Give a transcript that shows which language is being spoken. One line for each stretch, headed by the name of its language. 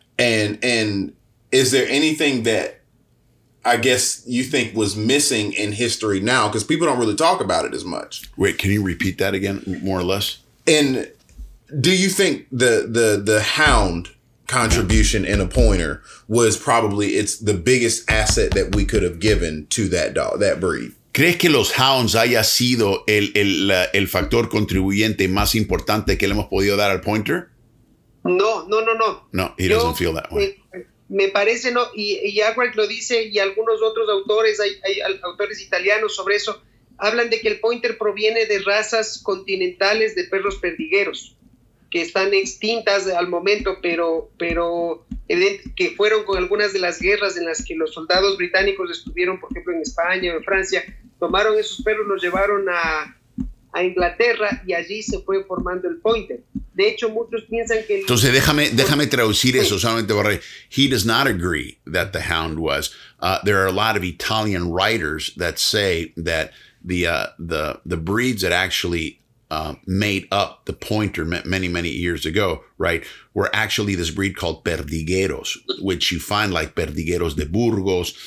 English: And is there anything that I guess you think was missing in history now? Because people don't really talk about it as much. Wait, can you repeat that again, more or less? And do you think the hound contribution in a pointer was probably it's the biggest asset that we could have given to that dog, that breed?
Spanish: ¿Crees que los hounds haya sido el factor contribuyente más importante que le hemos podido dar al pointer? No.
English: No, he doesn't feel that way.
Spanish: Me parece no, y Albrecht lo dice, y algunos otros autores, hay autores italianos sobre eso, hablan de que el pointer proviene de razas continentales de perros perdigueros, que están extintas al momento, pero que fueron con algunas de las guerras en las que los soldados británicos estuvieron, por ejemplo, en España o en Francia, tomaron esos perros, los llevaron a Inglaterra y allí se fue formando el pointer. De hecho, muchos piensan que... Entonces, déjame traducir eso, solamente para...
English: He does not agree that the hound was. There are a lot of Italian writers that say that the breeds that actually... made up the pointer many, many years ago, right, were actually this breed called perdigueros, which you find like perdigueros de Burgos.